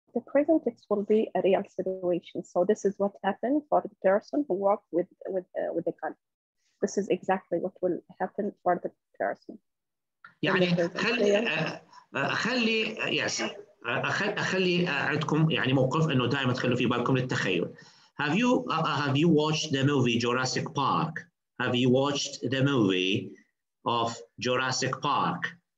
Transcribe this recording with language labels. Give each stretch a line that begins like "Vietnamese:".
English: the present tense will be a real situation. So this is what happened for the person who walked with the gun. This is exactly what will happen for the person.
Arabic: يعني خلي خلي يس اخلي عندكم يعني موقف انه دائما تخلوا في بالكم للتخيل.
English: Have you watched the movie Jurassic Park? Have you watched the movie of Jurassic Park?